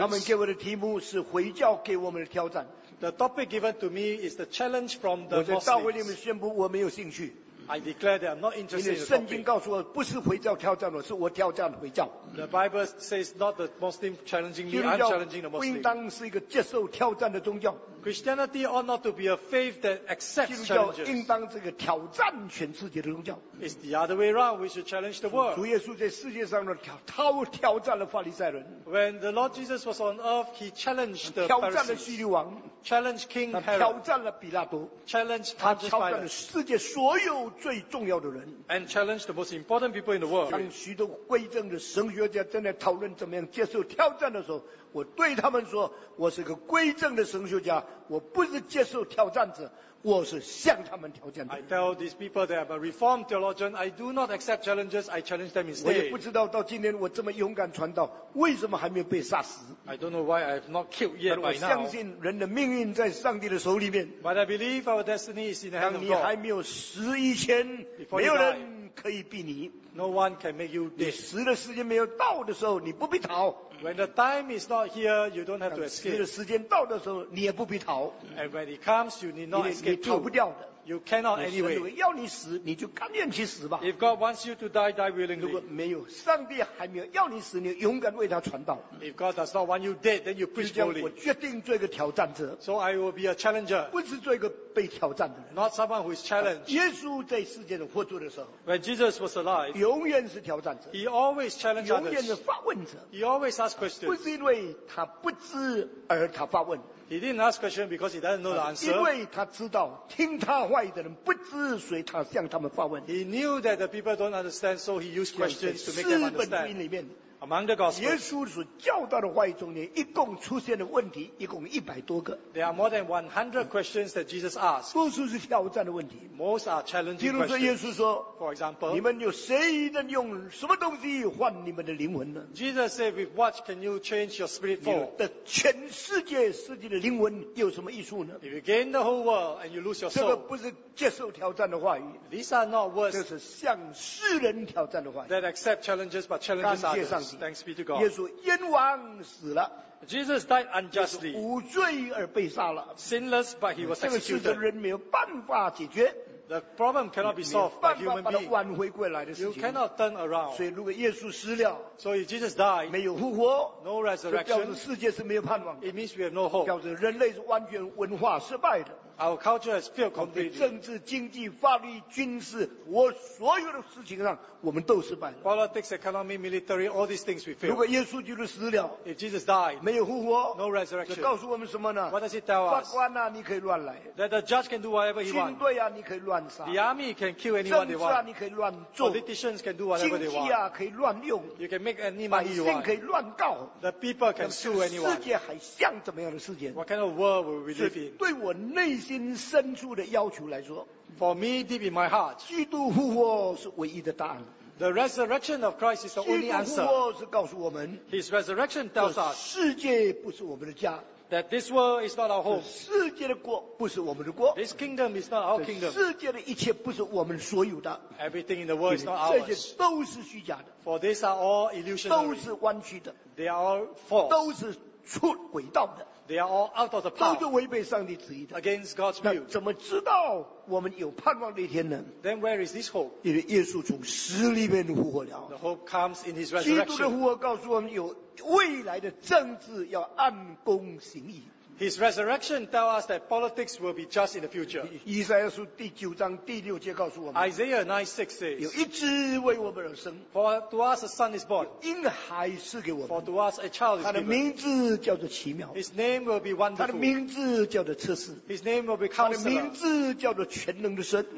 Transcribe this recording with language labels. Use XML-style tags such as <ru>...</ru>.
<zh>他们给我的题目是回教给我们的挑战。</zh> <en>The topic given to me is the challenge from the Muslims.</en> <zh>我在大会里面宣布我没有兴趣。</zh> <en>I declare that I'm not interested in the topic.</en> <zh>因为圣经告诉我不是回教挑战我，是我挑战回教。</zh> <en>The Bible says not the Muslim challenging me, I'm challenging the Muslim.</en> <zh>基督教不应当是一个接受挑战的宗教。</zh> <en>Christianity ought not to be a faith that accepts challenges.</en> <zh>基督教应当是一个挑战全世界的宗教。</zh> <en>It's the other way around. We should challenge the world.</en> <zh>主耶稣在世界上的挑战了法利赛人。</zh> <en>When the Lord Jesus was on earth, he challenged the Pharisees.</en> <zh>挑战了希律王。</zh> <en>Challenged King Herod.</en> <zh>挑战了比拉多。</zh> <en>Challenged</en> <zh>Pontius Pilate. 他挑战了世界所有最重要的人。</zh> <en>And challenged the most important people in the world.</en> <zh>当许多归正的神学家正在讨论怎么样接受挑战的时候，我对他们说，我是个归正的神学家，我不是接受挑战者，我是向他们挑战的。</zh> <en>I tell these people that I'm a reformed theologian. I do not accept challenges. I challenge them instead.</en> <zh>我也不知道到今天我这么勇敢传道，为什么还没有被杀死</zh> <en>？I don't know why I've not killed yet.</en> <zh>我相信人的命运在上帝的手里面。</zh> <en>But I believe our destiny is in the hand of God.</en> <zh>当你还没有死以前，没有人可以逼你。</zh> <en>No one can make you dead.</en> <zh>你死的时间没有到的时候，你不必逃。</zh> <en>When the time is not here, you don't have to escape.</en> <zh>你的时间到的时候，你也不必逃。</zh> <en>And when it comes, you need not escape too.</en> <zh>你逃不掉的。</zh> <en>You cannot anyway.</en> <zh>神要你死，你就甘愿去死吧。</zh> <en>If God wants you to die, die willingly.</en> <zh>如果没有，上帝还没有要你死，你勇敢为他传道。</zh> <en>If God does not want you dead, then you preach boldly.</en> <zh>我决定做一个挑战者。</zh> <en>So I will be a challenger.</en> <zh>不是做一个被挑战的人。</zh> <en>Not someone who is challenged.</en> <zh>耶稣在世界上活着的时候</zh> <en>，When Jesus was alive,</en> <zh>永远是挑战者。</zh> <en>He always challenged others.</en> <zh>永远是发问者。</zh> <en>He always asked questions.</en> <zh>不是因为他不知而他发问。</zh> <en>He didn't ask question because he doesn't know the answer.</en> <zh>因为他知道听他话的人不知，所以他向他们发问。</zh> <en>He knew that the people don't understand, so he used questions to make them understand.</en> <zh>四本音里面</zh> <en>，Among the Gospels,</en> <zh>耶稣所教导的话语中间，一共出现的问题一共100多个。</zh> <en>There are more than 100 questions that Jesus asked.</en> <zh>多数是挑战的问题。</zh> <en>Most are challenging questions.</en> <zh>比如说耶稣说</zh> <en>，For example,</en> <zh>你们有谁能用什么东西换你们的灵魂呢</zh> <en>？Jesus said, "With what can you change your spirit for?"</en> <zh>你的全世界世界的灵魂有什么益处呢</zh> <en>？If you gain the whole world and you lose your soul,</en> <zh>这个不是接受挑战的话语。</zh> <en>These are not words.</en> <zh>这是向世人挑战的话语。</zh> <en>That accept challenges, but challenges others.</en> <zh>感谢上帝。</zh> <en>Thanks be to God.</en> <zh>耶稣冤枉死了。</zh> <en>Jesus died unjustly.</en> <zh>无罪而被杀了。</zh> <en>Sinless, but he was executed.</en> <zh>这个世界人没有办法解决。</zh> <en>The problem cannot be solved by human being.</en> <zh>没有办法把它挽回过来的事情。</zh> <en>You cannot turn around.</en> <zh>所以如果耶稣死了</zh> <en>，So if Jesus died,</en> <zh>没有复活</zh> <en>，No resurrection.</en> <zh>表示世界是没有盼望的。</zh> <en>It means we have no hope.</en> <zh>表示人类是完全文化失败的。</zh> <en>Our culture has failed completely.</en> <zh>政治、经济、法律、军事，我所有的事情上，我们都失败了。</zh> <en>Politics, economy, military, all these things we failed.</en> <zh>如果耶稣基督死了</zh> <en>，If Jesus died,</en> <zh>没有复活</zh> <en>，No resurrection.</en> <zh>这告诉我们什么呢</zh> <en>？What does it tell us?</en> <zh>法官啊，你可以乱来。</zh> <en>That the judge can do whatever he wants.</en> <zh>军队啊，你可以乱杀。</zh> <en>The army can kill anyone they want.</en> <zh>政治啊，你可以乱做。</zh> <en>Politicians can do whatever they want.</en> <zh>经济啊，可以乱用。</zh> <en>You can make any money you want.</en> <zh>百姓可以乱告。</zh> <en>The people can sue anyone.</en> <zh>世界还像怎么样的世界</zh> <en>？What kind of world will we live in?</en> <zh>对我内心深处的要求来说</zh> <en>，For me deep in my heart，</en> <zh>基督复活是唯一的答案。</zh> <en>The resurrection of Christ is the only answer。</en> <zh>基督复活是告诉我们</zh> <en>，His resurrection tells us，</en> <zh>世界不是我们的家。</zh> <en>That this world is not our home。</en> <zh>世界的国不是我们的国。</zh> <en>This kingdom is not our kingdom。</en> <zh>世界的一切不是我们所有的。</zh> <en>Everything in the world is not ours。</en> <zh>这些都是虚假的。</zh> <en>For these are all illusions。</en> <zh>都是弯曲的。</zh> <en>They are all false。</en> <zh>都是出轨道的。</zh> <en>They are all out of the path.</en> <zh>都是违背上帝旨意的。</zh> <en>Against God's will.</en> <zh>怎么知道我们有盼望的一天呢</zh> <en>？Then where is this hope?</en> <zh>因为耶稣从死里面复活了。</zh> <en>The hope comes in His resurrection.</en> <zh>基督的复活告诉我们，有未来的政治要按公行义。</zh> <en>His resurrection tells us that politics will be just in the future.</en> <zh>以赛亚书第九章第六节告诉我们</zh> <en>，Isaiah 9:6 says，</en> <zh>有一只为我们而生</zh> <en>，For to us a son is born，</en> <zh>婴孩赐给我们</zh> <en>，For to us a child is given，</en> <zh>他的名字叫做奇妙</zh> <en>，His name will be wonderful，</en> <zh>他的名字叫做测试</zh> <en>，His name will be counselor，</en> <zh>他的名字叫做全能的神</zh>